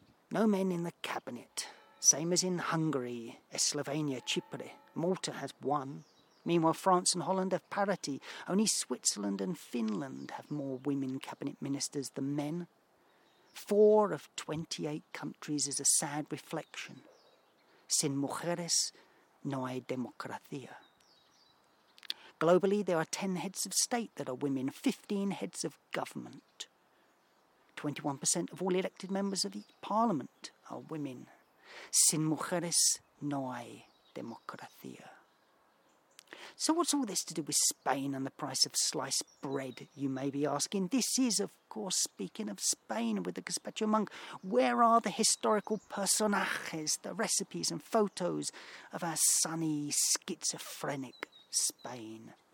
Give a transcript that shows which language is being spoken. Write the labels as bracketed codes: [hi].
[en] No men in the cabinet. Same as in Hungary, Slovenia, Chipre. Malta has one. Meanwhile, France and Holland have parity. Only Switzerland and Finland have more women cabinet ministers than men. 4 of 28 countries is a sad reflection. [es] Sin mujeres, no hay democracia. [en] Globally, there are 10 heads of state that are women, 15 heads of government. 21% of all elected members of the parliament are women. [es] Sin mujeres, no hay democracia. [en] So what's all this to do with Spain and the price of sliced bread, you may be asking? This is, of course, speaking of Spain with the gazpacho monk. Where are the historical personajes, the recipes and photos of our sunny, schizophrenic Spain?